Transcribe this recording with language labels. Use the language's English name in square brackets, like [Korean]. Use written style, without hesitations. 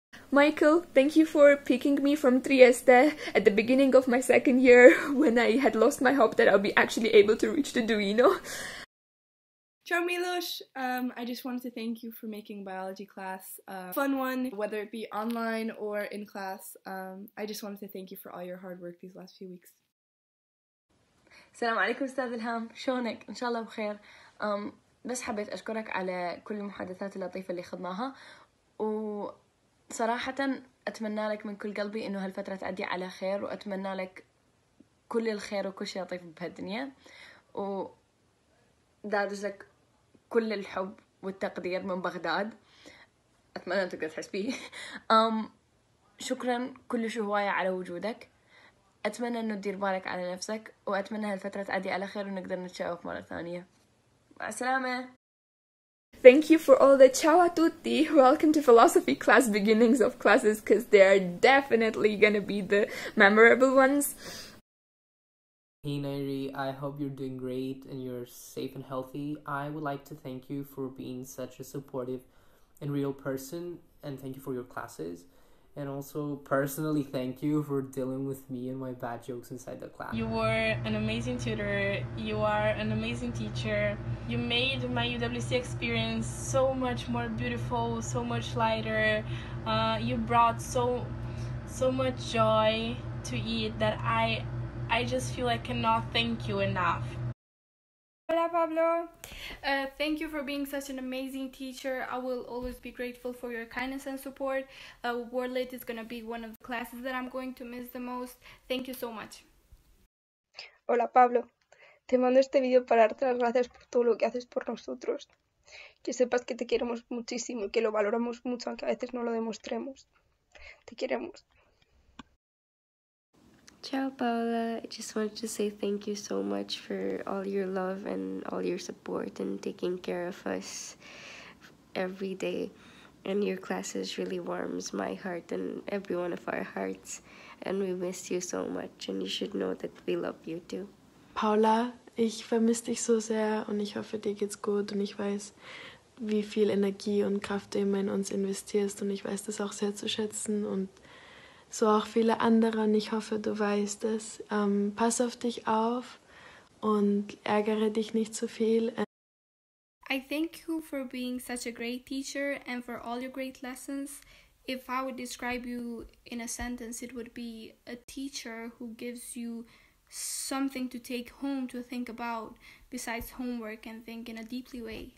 [English] Michael, thank you for picking me from Trieste at the beginning of my second year when I had lost my hope that I'll be actually able to reach the Duino. Ciao, Milos. I just wanted to thank you for making biology class a fun one, whether it be online or in class. I just wanted to thank you for all your hard work these last few weeks. [Arabic] Salam alaikum, Ustaz Ilham. Shonek. Inshallah, bkhair. بس حبيت أشكرك على كل المحادثات اللطيفة اللي خضناها وصراحة أتمنى لك من كل قلبي إنه هالفترة تعدي على خير وأتمنى لك كل الخير وكل شيء لطيف بهالدنيا ودادوز لك كل الحب والتقدير من بغداد أتمنى أن تقدر تحس بيه شكرا كل هواية على وجودك أتمنى أنه تدير بالك على نفسك وأتمنى هالفترة تعدي على خير ونقدر نتشوف مرة ثانية [English] Thank you for all the [Italian] ciao a tutti. [English] Welcome to philosophy class, beginnings of classes, because they are definitely going to be the memorable ones. Hey, Nairi, I hope you're doing great and you're safe and healthy. I would like to thank you for being such a supportive and real person, and thank you for your classes. And also personally thank you for dealing with me and my bad jokes inside the class. You were an amazing tutor. You are an amazing teacher. You made my UWC experience so much more beautiful, so much lighter. You brought so much joy to it that I just feel I cannot thank you enough. [Spanish] Hola, Pablo. [English] Thank you for being such an amazing teacher. I will always be grateful for your kindness and support. WorldLit is going to be one of the classes that I'm going to miss the most. Thank you so much. [Spanish] Hola, Pablo. Te mando este video para darte las gracias por todo lo que haces por nosotros. Que sepas que te queremos muchísimo y que lo valoramos mucho, aunque a veces no lo demostremos. Te queremos. [English] Ciao Paola, I just wanted to say thank you so much for all your love and all your support and taking care of us every day. And your classes really warms my heart and every one of our hearts. And we miss you so much and you should know that we love you too. [German] Paola, ich vermisse dich so sehr und ich hoffe dir geht's gut und ich weiß, wie viel Energie und Kraft du immer in uns investierst und ich weiß das auch sehr zu schätzen und so auch viele andere und ich hoffe, du weißt es. Pass auf dich auf und ärgere dich nicht zu viel. [English] I thank you for being such a great teacher and for all your great lessons. If I would describe you in a sentence, it would be a teacher who gives you something to take home to think about besides homework and think in a deeply way.